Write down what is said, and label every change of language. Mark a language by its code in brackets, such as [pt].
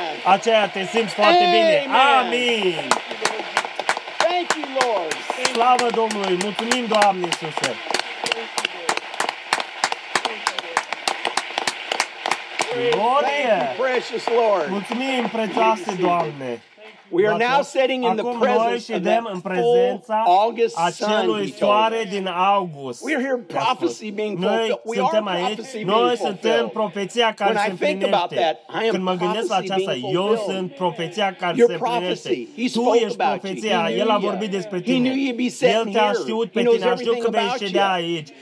[ro] Aceea te simți foarte bine. Amin. [en] Thank you, Lord. [ro] Slavă Domnului. Mulțumim, Doamne Iisuse. Glorie. [en] Precious Lord. [ro] Mulțumim, prețioase Doamne. [en] We are now sitting in the presence of that full August [ro] acelui soare din august. [en] We are hearing prophecy being fulfilled. [ro] Noi suntem aici. Noi suntem profeția care se împlinește. Când mă gândesc la aceasta, eu sunt profeția care se împlinește. Tu ești profeția. El a vorbit despre tine. El te-a știut pe tine. A știut că vei ședea aici.